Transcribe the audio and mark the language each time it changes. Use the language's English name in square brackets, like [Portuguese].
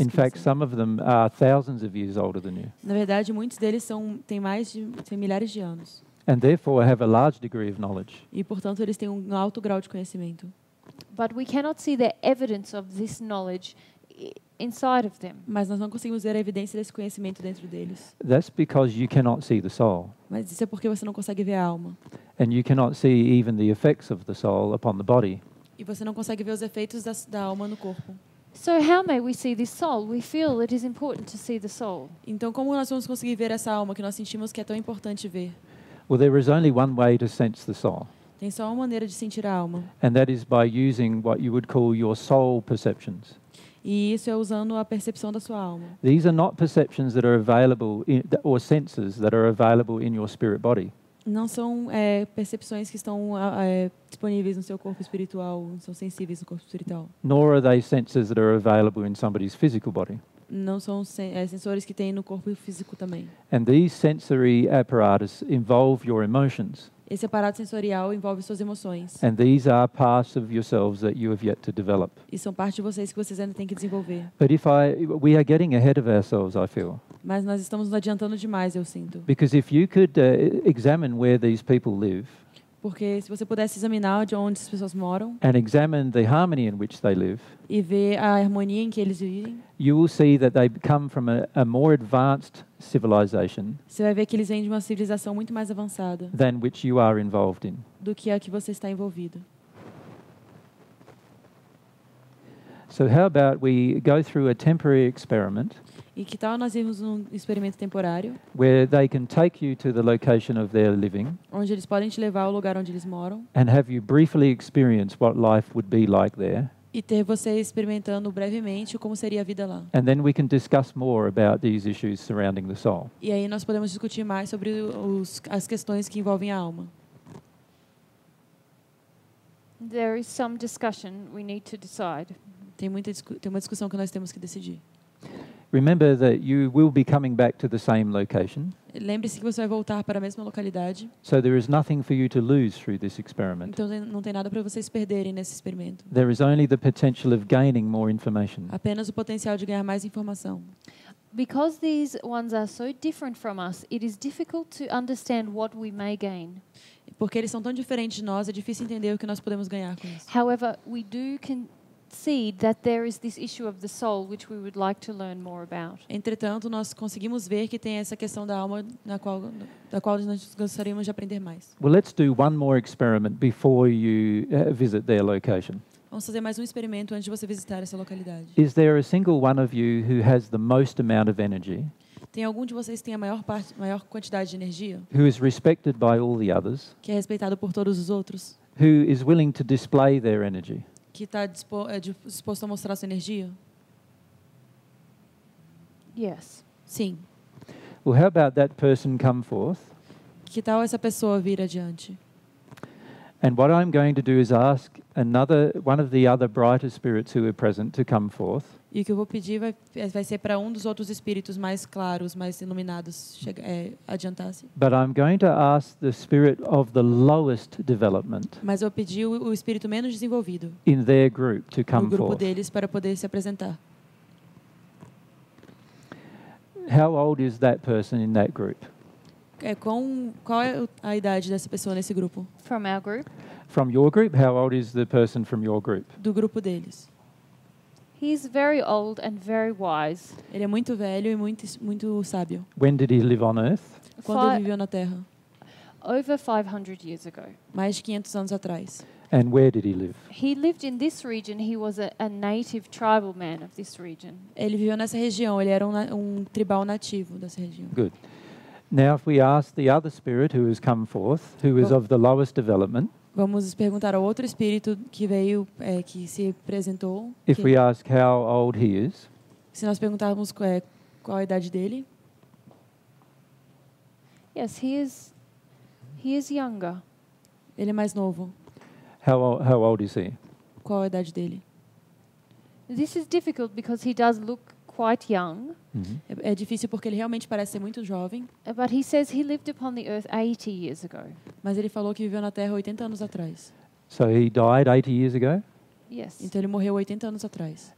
[English] In fact, some of them are thousands of years older than you. [Portuguese] Na verdade, muitos deles têm milhares de anos. [English] And therefore have a large degree of knowledge. [Portuguese] E portanto, eles têm um alto grau de conhecimento. [English] But we cannot see the evidence of this knowledge inside of them. [Portuguese] Mas nós não conseguimos ver a evidência desse conhecimento dentro deles. [English] That's because you cannot see the soul. [Portuguese] Mas isso é porque você não consegue ver a alma. [English] And you cannot see even the effects of the soul upon the body. [Portuguese] E você não consegue ver os efeitos da alma no corpo. [English] So how may we see this soul? We feel it is important to see the soul. [Portuguese] Então como nós vamos conseguir ver essa alma que nós sentimos que é tão importante ver? [English] Well, there is only one way to sense the soul. [Portuguese] Tem só uma maneira de sentir a alma. [English] And that is by using what you would call your soul perceptions. [Portuguese] E isso é usando a percepção da sua alma. [English] These are not perceptions that are available or senses that are available in your spirit body. [Portuguese] Não são percepções que estão disponíveis no seu corpo espiritual, são sensíveis no corpo espiritual. [English] Nor are they senses that are available in somebody's physical body. [Portuguese] Não são sensores que tem no corpo físico também. [English] And these sensory apparatus involve your emotions. [Portuguese] Esse aparato sensorial envolve suas emoções. [English] And these are parts of yourselves that you have yet to develop. [Portuguese] E são parte de vocês que vocês ainda têm que desenvolver. [English] But we are getting ahead of ourselves, I feel. [Portuguese] Mas nós estamos nos adiantando demais, eu sinto. [English] Because if you could examine where these people live, [Portuguese] porque se você pudesse examinar de onde as pessoas moram, [English] and examine the harmony in which they live, [Portuguese] e ver a harmonia em que eles vivem, [English] you will see that they come from a more advanced civilization. [Portuguese] Você vai ver que eles vêm de uma civilização muito mais avançada [English] than which you are involved in. [Portuguese] Do que a que você está envolvido. [English] So how about we go through a temporary experiment? [Portuguese] E que tal nós irmos num experimento temporário? [English] Where they can take you to the location of their living. [Portuguese] Onde eles podem te levar ao lugar onde eles moram. [English] And have you briefly experience what life would be like there. [Portuguese] E ter você experimentando brevemente como seria a vida lá. [English] And then we can discuss more about these issues surrounding the soul. [Portuguese] E aí nós podemos discutir mais sobre as questões que envolvem a alma. [English] There is some discussion we need to decide. [Portuguese] Tem uma discussão que nós temos que decidir. [English] Remember that you will be coming back to the same location. [Portuguese] Lembre-se que você vai voltar para a mesma localidade. [English] So there is nothing for you to lose through this experiment. [Portuguese] Então não tem nada para vocês perderem nesse experimento. [English] There is only the potential of gaining more information. [Portuguese] Apenas o potencial de ganhar mais informação. [English] Because these ones are so different from us, it is difficult to understand what we may gain. [Portuguese] Porque eles são tão diferentes de nós, é difícil entender o que nós podemos ganhar com isso. [English] However, we do see that there is this issue of the soul which we would like to learn more about. [Portuguese] Entretanto, nós conseguimos ver que tem essa questão da alma da qual nós gostaríamos de aprender mais. [English] Well, let's do one more experiment before you visit their location. [Portuguese] Vamos fazer mais um experimento antes de você visitar essa localidade. [English] Is there a single one of you who has the most amount of energy? [Portuguese] Tem algum de vocês que tem a maior parte, maior quantidade de energia? [English] Who is respected by all the others? [Portuguese] Que é respeitado por todos os outros? [English] Who is willing to display their energy? [Portuguese] Que está disposto a mostrar sua energia? [English] Yes. [Portuguese] Sim. [English] Well, how about that person come forth? [Portuguese] Que tal essa pessoa vir adiante? [English] And what I'm going to do is ask another one of the other brighter spirits who are present to come forth. [Portuguese] E o que eu vou pedir vai ser para um dos outros espíritos mais claros, mais iluminados, adiantar-se. [English] But I'm going to ask the spirit of the lowest development. [Portuguese] Mas eu pedi o espírito menos desenvolvido. [English] In their group to come forth. [Portuguese] O grupo deles para poder se apresentar. [English] How old is that person in that group? [Portuguese] Qual é a idade dessa pessoa nesse grupo? [English] From our group. From your group, how old is the person from your group? [Portuguese] Do grupo deles. [English] He's very old and very wise. [Portuguese] Ele é muito velho e muito sábio. [English] When did he live on Earth? [Portuguese] Quando ele viveu na Terra? [English] Over 500 years ago. [Portuguese] Mais de 500 anos atrás. [English] And where did he live? He lived in this region. He was a native tribal man of this region. [Portuguese] Ele viveu nessa região. Ele era um tribal nativo dessa região. [English] Good. Now, if we ask the other spirit who has come forth, who is of the lowest development. [Portuguese] Vamos perguntar ao outro espírito que veio, que se apresentou. [English] If we ask how old he is. [Portuguese] Se nós perguntarmos qual a idade dele. [English] Yes, he is younger. [Portuguese] Ele é mais novo. [English] How old is he? [Portuguese] Qual a idade dele? [English] This is difficult because he does look quite young. [Portuguese] É difícil porque ele realmente parece ser muito jovem. [English] But he says he lived upon the earth 80 years ago. [Portuguese] Mas ele falou que viveu na Terra 80 anos atrás. [English] So he died 80 years ago? Yes. [Portuguese] Então ele morreu 80 anos atrás.